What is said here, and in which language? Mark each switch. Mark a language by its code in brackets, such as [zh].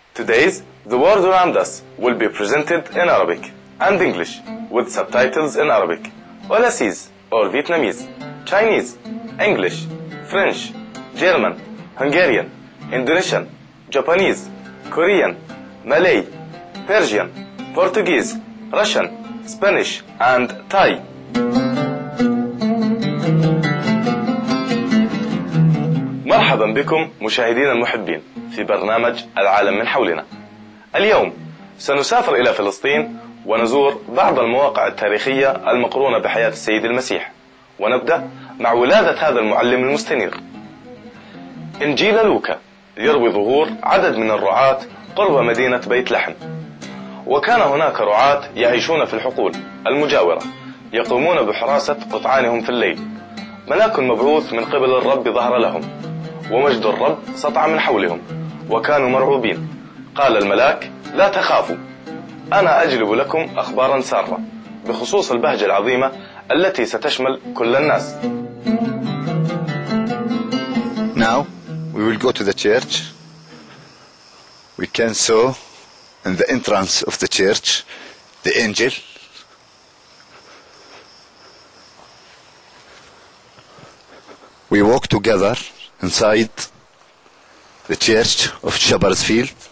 [en] Today's The World Around Us will be presented in Arabic and English with subtitles in Arabic, Olesis or Vietnamese, Chinese, English, French, German, Hungarian, Indonesian, Japanese, Korean, Malay, Persian, Portuguese, Russian, Spanish, and Thai. [ar] مرحبا بكم مشاهدينا المحبين في برنامج العالم من حولنا. اليوم سنسافر إلى فلسطين ونزور بعض المواقع التاريخية المقرونة بحياة السيد المسيح، ونبدأ مع ولادة هذا المعلم المستنير. إنجيل لوكا يروي ظهور عدد من الرعاة قرب مدينة بيت لحم، وكان هناك رعاة يعيشون في الحقول المجاورة يقومون بحراسة قطعانهم في الليل. ملاك مبعوث من قبل الرب ظهر لهم، ومجد الرب سطع من حولهم، وكانوا مرعوبين. قال الملاك: لا تخافوا، أنا أجلب لكم أخبارا سارة بخصوص البهجة العظيمة التي ستشمل كل الناس. [en] Now we will go to the church. We can saw in the entrance of the church the angel. We walk together inside the church of Shepherd's Field.